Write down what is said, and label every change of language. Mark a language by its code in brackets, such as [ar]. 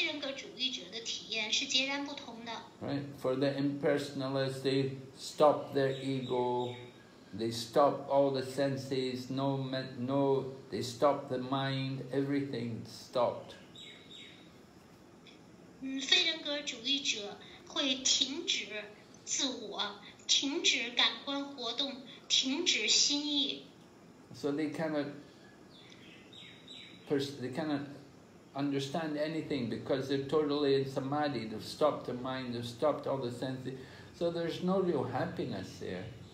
[zh] 我们的体验就是和非人格主义者的体验是截然不同的。Right, [en] for the impersonalists, they stop their ego, they stop all the senses, they stop the mind, everything stopped. [zh] 非人格主义者会停止自我，停止感官活动，停止心意。So [en] they cannot understand anything because they're totally in samadhi, they've stopped the mind, they've stopped all the senses, so there's no real happiness there.